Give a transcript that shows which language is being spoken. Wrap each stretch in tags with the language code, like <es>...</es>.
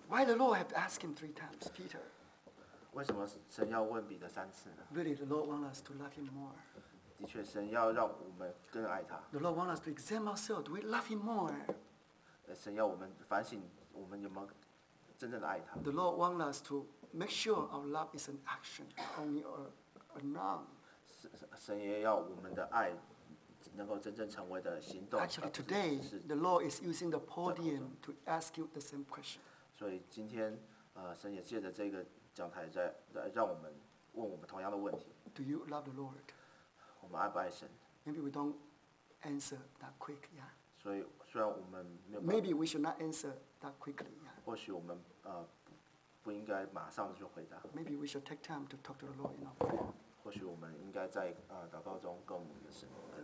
<en>Why the Lord have to ask him three times, Peter?</en> <zh>为什么神要问彼得三次呢？</zh> <en>Really, the Lord wants us to love him more.</en> <zh>的确，神要让我们更爱他。</zh> <en>The Lord wants us to examine ourselves. Do we love him more?</en> <zh>神要我们反省我们有没有真正的爱他。</zh> <en>The Lord wants us to make sure our love is an action, only a noun.</en> <zh>神也要我们的爱能够真正成为的行动。</zh> <en>Actually, today, the Lord is using the podium to ask you the same question.</en> <zh>所以今天，神也借着这个讲台在让我们问我们同样的问题。</zh> <en>Do you love the Lord?</en> <zh>我们爱不爱神？</zh> <en>Maybe we don't answer that quick, yeah.</en> <zh>所以虽然我们没有。</zh> <en>Maybe we should not answer that quickly, yeah.</en> <zh>或许我们不应该马上就回答。</zh> <en>Maybe we should take time to talk to the Lord, you know.</en> <zh>或许我们应该在祷告中跟我们的神来</zh>